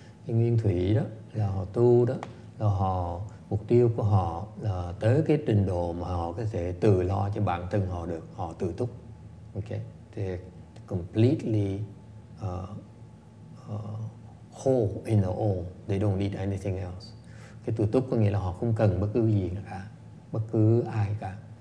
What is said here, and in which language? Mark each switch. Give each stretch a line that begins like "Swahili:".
Vietnamese: Nguyên Thủy đó là họ tu đó, là họ, mục tiêu của họ là tới cái trình độ mà họ có thể tự lo cho bản thân họ được, họ tự túc.
English: Okay, they're completely whole in the all, they don't need anything else.
Vietnamese: Cái tự túc có nghĩa là họ không cần bất cứ gì cả, bất cứ ai cả.